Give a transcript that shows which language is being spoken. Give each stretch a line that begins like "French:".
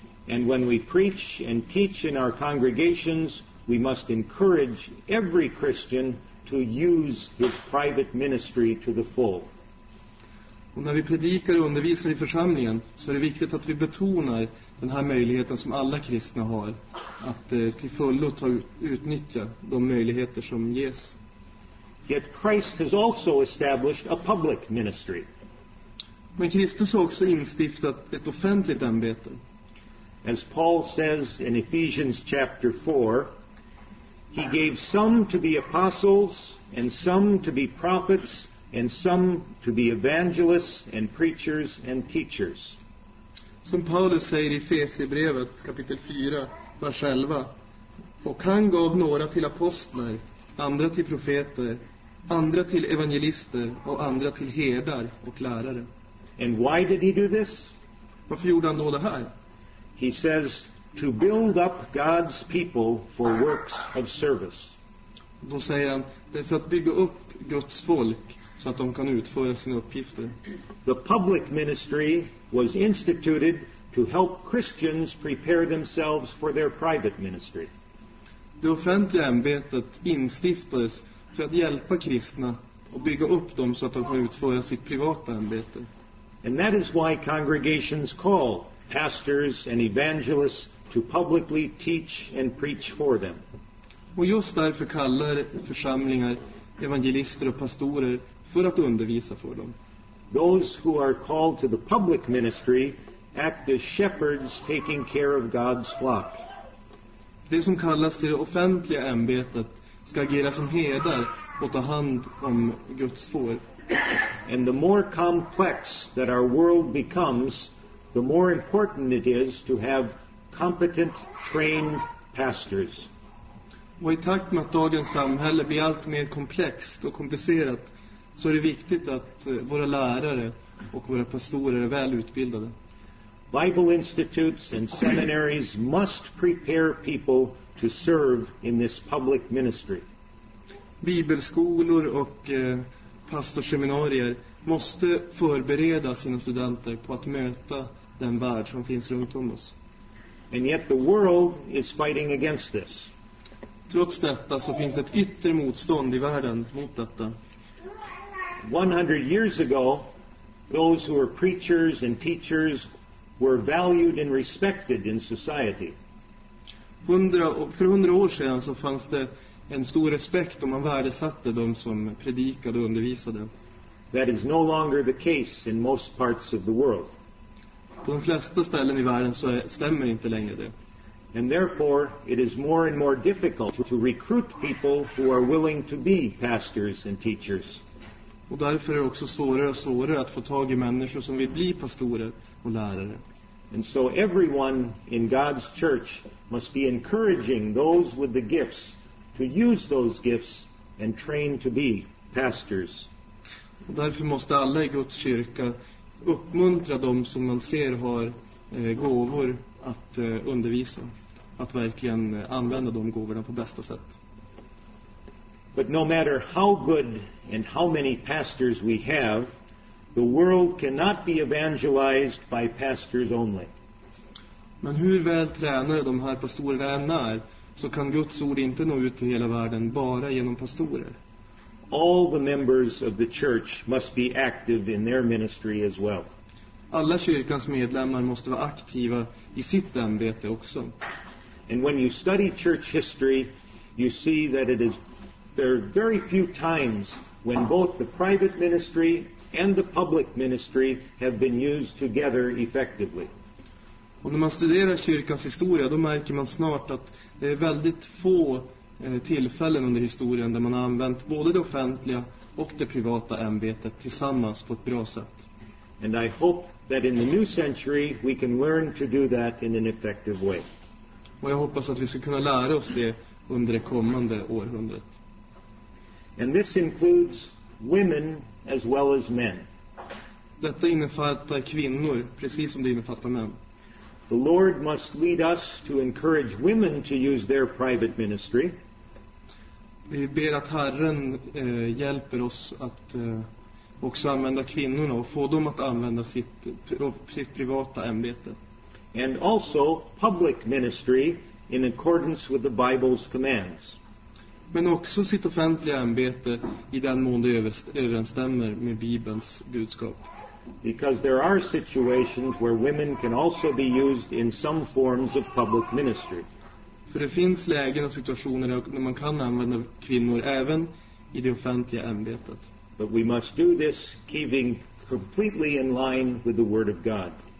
English: And when we preach and teach in our congregations, we must encourage every Christian to use his private ministry to the full.
Swedish: Och när vi predikar och undervisar i församlingen så är det viktigt att vi betonar den här möjligheten som alla kristna har att till fullo ta utnyttja de möjligheter som ges.
English: Yet Christ has also established a public ministry.
Swedish: Men Kristus har också instiftat ett offentligt ämbete.
English: As Paul says in Ephesians chapter 4, he gave some to be apostles and some to be prophets and some to be evangelists and preachers and teachers.
Swedish: Som Paulus säger i Efesierbrevet kapitel 4, vers 11. Och han gav några till apostlar, andra till profeter, andra till evangelister och andra till herdar och lärare.
English: And why did he do this?
Swedish: Varför gjorde han då det här?
English: He says to build up God's people for works of service.
Swedish: Då säger han, det är för att bygga upp Guds folk så att de kan utföra sina uppgifter.
English: The public ministry was instituted to help Christians prepare themselves for their private ministry.
Swedish: Det offentliga ämbetet instiftades för att hjälpa kristna och bygga upp dem så att de kan utföra sitt privata ämbete.
English: And that is why congregations call pastors and evangelists to publicly teach and preach for them.
Swedish: Och just därför kallar församlingar evangelister och pastorer för att undervisa för dem.
English: Those who are called to the public ministry act as shepherds taking care of God's flock.
Swedish: De som kallas till det offentliga ämbetet ska agera som herdar och ta hand om Guds får.
English: And the more complex that our world becomes, the more important it is to have competent, trained pastors.
Swedish: Och i takt med att dagens samhälle blir allt mer komplext och komplicerat, så är det viktigt att våra lärare och våra pastorer är välutbildade.
English: Bible institutes and seminaries must prepare people to serve in this public ministry.
Swedish: Bibelskolor och pastorseminarier måste förbereda sina studenter på att möta den värld som finns runt om oss.
English: And yet the world is fighting against this.
Swedish: Trots detta så finns det ett yttre motstånd i världen mot detta.
English: 100 years ago, those who were preachers and teachers were valued and respected in society.
Swedish: För 100 år sedan så fanns det en stor respekt om man värdesatte de som predikade och undervisade.
English: That is no longer the case in most parts of the world.
Swedish: På de flesta ställen i världen så stämmer inte längre det.
English: And therefore it is more and more difficult to recruit people who are willing to be pastors and teachers.
Swedish: Och därför är det också svårare och svårare att få tag i människor som vill bli pastorer och lärare.
English: And so everyone in God's church must be encouraging those with the gifts to use those gifts and train to be pastors.
Swedish: Och därför måste alla i Guds kyrka uppmuntra de som man ser har gåvor att undervisa, att verkligen använda de gåvorna på bästa sätt.
English: But no matter how good and how many pastors we have, the world cannot be evangelized by pastors only.
Swedish: Men hur väl tränade de här pastorerna än är, så kan Guds ord inte nå ut till hela världen bara genom pastorer.
English: All the members of the church must be active in their ministry as well.
Swedish: Alla kyrkans medlemmar måste vara aktiva i sitt ämbete också.
English: And when you study church history, you see that there are very few times when both the private ministry and the public ministry have been used together effectively.
Swedish: Och när man studerar kyrkans historia, då märker man snart att det är väldigt få tillfällen under historien där man har använt både det offentliga och det privata ämbetet tillsammans på ett bra sätt.
English: And I hope that in the new century we can learn to do that in an effective way.
Swedish: Och jag hoppas att vi ska kunna lära oss det under det kommande århundradet.
English: And this includes women as well as men.
Swedish: Detta innefattar kvinnor precis som det innefattar män.
English: The Lord must lead us to encourage women to use their private ministry.
Swedish: Vi ber att Herren hjälper oss att också använda kvinnorna och få dem att använda sitt privata ämbete.
English: And also public ministry in accordance with the Bible's commands.
Swedish: Men också sitt offentliga ämbete i den mån det överensstämmer med Bibelns budskap.
English: Because there are situations where women can also be used in some forms of public ministry.
Swedish: För det finns lägen och situationer där man kan använda kvinnor även i det offentliga ämbetet.
English: But we must do this keeping completely in line with the word of God.